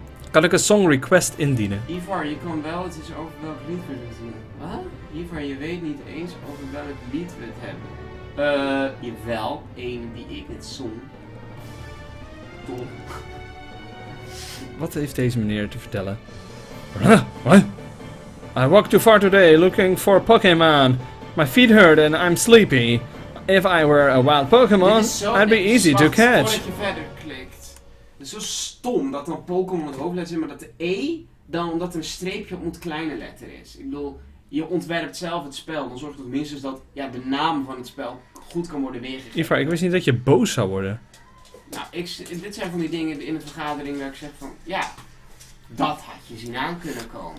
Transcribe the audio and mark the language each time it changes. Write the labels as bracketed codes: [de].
[nl] Kan ik een song request indienen? Ivar, je kan wel, het is over welk lied we het hebben. Wat? Ivar, je weet niet eens over welk lied we het hebben. Jawel, een die ik het zong. Tom. Wat heeft deze meneer te vertellen? [en] What? I walked too far today looking for Pokémon. My feet hurt and I'm sleepy. If I were a wild Pokémon, I'd be easy to catch. [nl] Voordat je verder klikt. Het is zo stom dat een Pokémon het hoofdletter is, maar dat de E dan omdat een streepje op een kleine letter is. Ik bedoel, je ontwerpt zelf het spel. Dan zorg je tenminste dat ja, de naam van het spel goed kan worden weergegeven. Ivar, ik wist niet dat je boos zou worden. Dit zijn van die dingen in de vergadering waar ik zeg van, ja, dat had je zien aan kunnen komen.